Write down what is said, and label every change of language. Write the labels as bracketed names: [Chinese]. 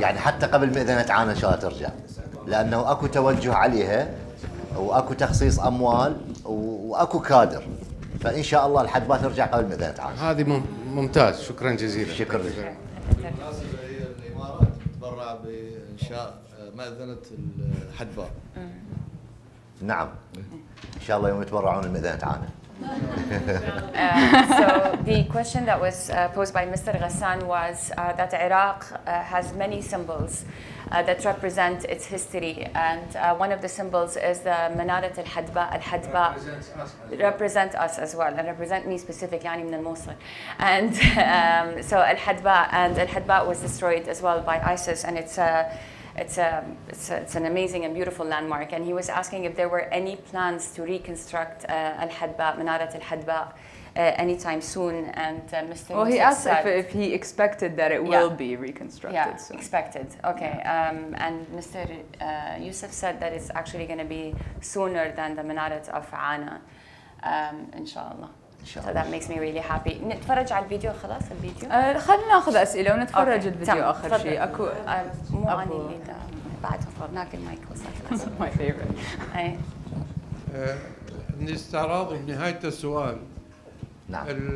[Arabic] يعني حتى قبل مئذنة عانا إن شاء الله ترجع لأنه أكو توجه عليها وأكو تخصيص أموال وأكو كادر فإن شاء الله الحدباء ترجع قبل مئذنة عانا هذه ممتاز شكرا جزيلا شكرا لك الإمارات تبرع بإنشاء مئذنة الحدباء نعم ان شاء الله يوم يتبرعون المئذنه تعالى [English] So the question that was posed by Mr. Ghassan was that Iraq has many symbols that represent its history and one of the symbols is the Minaret al-Hadba al-Hadba represent us as well and represent me specifically [Arabic] يعني من الموصل [English] and so al-Hadba and al-Hadba was destroyed as well by ISIS and it's an amazing and beautiful landmark. And he was asking if there were any plans to reconstruct Al-Hadba, Minaret Al-Hadba, anytime soon. And Mr. Well, he asked if he expected that it will be reconstructed. Yeah, so. Expected. Okay. Yeah. And Mr. Yousif said that it's actually going to be sooner than the Minaret of Anah, inshallah. So that makes me really happy. [Arabic] نتفرج على الفيديو خلاص الفيديو. خلنا نأخذ أسئلة ونتفرج الفيديو آخر شيء. أكو. مو أنا اللي دا بعد فضل ناكل مايك وصلت. [English] My favorite. [Arabic] نستعرض نهاية السؤال. نعم.